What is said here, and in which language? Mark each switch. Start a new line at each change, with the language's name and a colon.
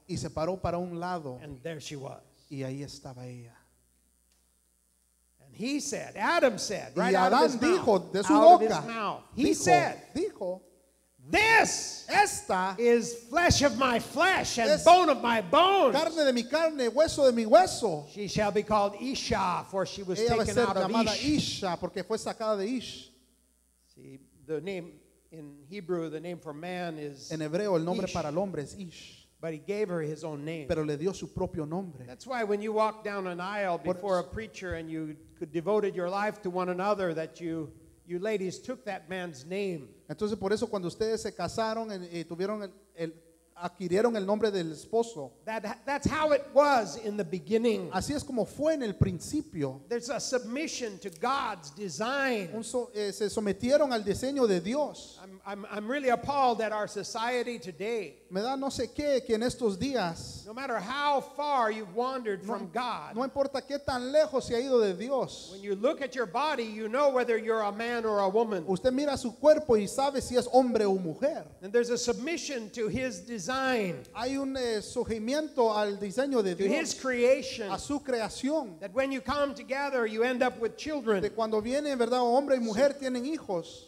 Spanish: Y se paró para un lado.
English: And there she was.
Spanish: Y ahí estaba ella.
English: And he said, Adam said,
Spanish: y
English: right Adam out of his
Spanish: dijo,
English: mouth,
Spanish: de su
English: out
Spanish: boca,
English: of his mouth,
Spanish: dijo,
English: he said,
Spanish: dijo,
English: this
Spanish: esta
English: is flesh of my flesh and bone of my bones.
Spanish: Carne de mi carne, hueso de mi hueso.
English: She shall be called Isha, for she was
Spanish: ella
English: taken out of Ish.
Spanish: Isha, porque fue sacada de Ish.
English: See, the name... In Hebrew, the name for man is
Spanish: en hebreo, el nombre para el hombre es Ish.
English: But he gave her his own name.
Spanish: Pero le dio su propio nombre.
English: That's why when you walk down an aisle before a preacher and you could devoted your life to one another, that you ladies took that man's name.
Spanish: Entonces por eso cuando ustedes se casaron y tuvieron el adquirieron el nombre del esposo.
English: That's how it was in the beginning.
Spanish: Así es como fue en el principio.
English: There's a submission to God's design.
Spanish: Se sometieron al diseño de Dios.
English: I'm really appalled at our society today.
Spanish: Me da no sé qué que en estos días.
English: No matter how far you've wandered from God.
Spanish: No importa qué tan lejos se ha ido de Dios.
English: When you look at your body, you know whether you're a man or a woman.
Spanish: Usted mira su cuerpo y sabe si es hombre o mujer.
English: And there's a submission to His design.
Spanish: Hay un sujeimiento al diseño de Dios.
English: To His creation.
Spanish: A su creación.
English: That when you come together, you end up with children.
Spanish: De cuando vienen, verdad, hombre y mujer tienen hijos.